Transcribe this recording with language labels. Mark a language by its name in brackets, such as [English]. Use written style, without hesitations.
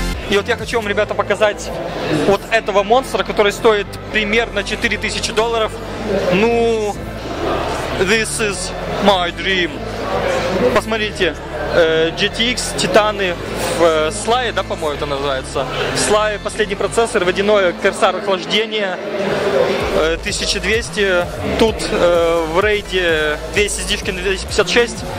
[Russian] И вот я хочу вам, ребята, показать вот этого монстра, который стоит примерно $4000. [English] Ну, this is my dream. [Russian] Посмотрите, GTX, Титаны, Sly, да, по-моему, это называется? Sly, последний процессор, водяное Corsair охлаждение, 1200. Тут в рейде 2 SSD-шки на 256.